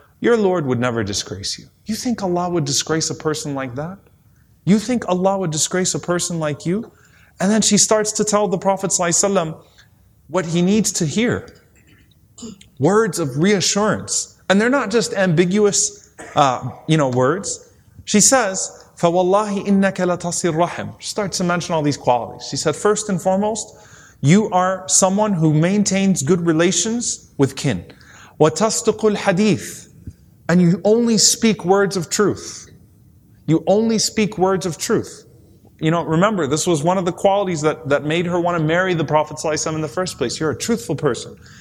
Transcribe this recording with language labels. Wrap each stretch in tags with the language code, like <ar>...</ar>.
<en>Your Lord would never disgrace you. You think Allah would disgrace a person like that? You think Allah would disgrace a person like you? And then she starts to tell the Prophet ﷺ what he needs to hear. Words of reassurance. And they're not just ambiguous, words. She says,</en> <ar>فَوَاللَّهِ إِنَّكَ لَتَصِرْ رَحِمْ.</ar> <en>She starts to mention all these qualities. She said, first and foremost, you are someone who maintains good relations with kin.</en> <ar>وَتَصْدُقُ الْحَدِيثِ.</ar> <en>And you only speak words of truth. You only speak words of truth. You know, remember, this was one of the qualities that made her want to marry the Prophet ﷺ in the first place. You're a truthful person.</en>